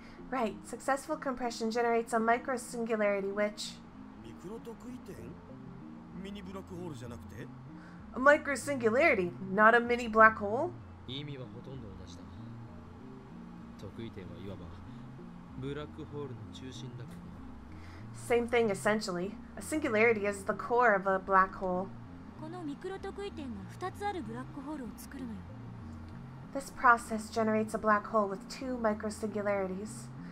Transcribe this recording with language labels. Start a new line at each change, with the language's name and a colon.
English: Right. Successful compression generates a micro singularity which.
Japanese: ミクロ特異点？ミニブラックホールじゃなくて
English: ？A micro singularity, not a mini black hole.
Japanese: 意味はほとんど同じだ。特異点はいわばブラックホールの中心だ。
English: Same thing essentially. A singularity is the core of a black hole.
Japanese: このミクロ特異点が2つあるブラックホールを作るのよ。
English: This process generates a black hole with two microsingularities.